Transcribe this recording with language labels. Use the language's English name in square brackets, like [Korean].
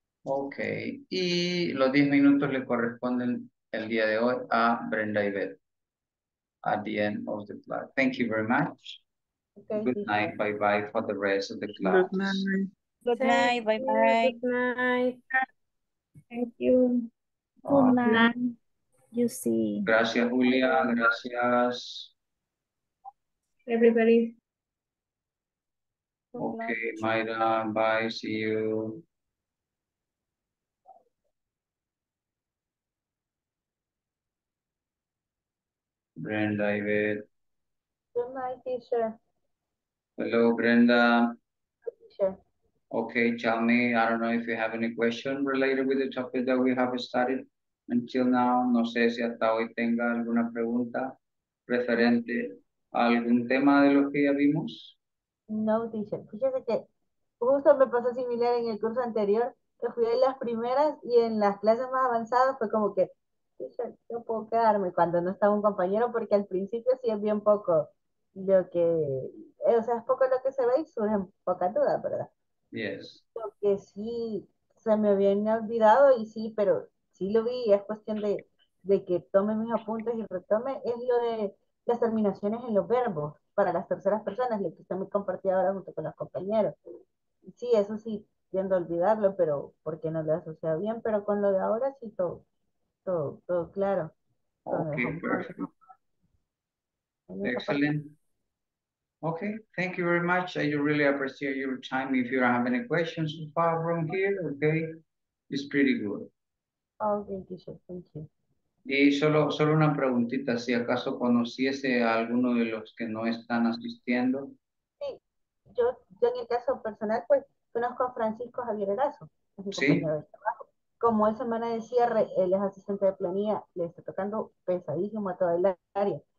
[Spanish] Okay, y los 10 minutos le corresponden el día de hoy a Brenda y Beth. [English] At the end of the class. Thank you very much. Okay. Good night. Bye bye for the rest of the class. Good night. Good night. Bye bye. Good night. Thank you. Good night. You see. [Spanish] Gracias, Julia. Gracias. [English] Everybody. Okay, Mayra. Bye. See you. Brenda, Ivette. Good night, teacher. Hello, Brenda. Teacher. Okay, tell me, I don't know if you have any question related with the topic that we have studied until now. [Spanish] No sé si hasta hoy tenga alguna pregunta referente a algún tema de lo que ya vimos. [English] No, teacher. [Spanish] Fíjate que justo me pasó similar en el curso anterior, que fui de las primeras y en las clases más avanzadas fue como que yo puedo quedarme cuando no está un compañero, porque al principio sí es bien poco lo que, o sea, es poco lo que se ve y surgen pocas dudas, ¿verdad? [English] Yes. [Spanish] Lo que sí se me habían olvidado y sí, pero sí lo vi, es cuestión de que tome mis apuntes y retome, es lo de las terminaciones en los verbos para las terceras personas, lo que está muy compartido ahora junto con los compañeros. Sí, eso sí, tiendo a olvidarlo, pero porque no lo he asociado bien, pero con lo de ahora sí todo. Todo claro. [English] Okay, perfect. Excellent. Okay, thank you very much. I really appreciate your time. If you have any questions so far from here, okay, it's pretty good. Okay, thank you. [Spanish] Y solo una preguntita, si acaso conociese a alguno de los que no están asistiendo. Sí, yo en el caso personal, pues, conozco a Francisco Javier Erazo. Sí. Como es semana de cierre, él es asistente de planilla, le está tocando pesadísimo a toda el área.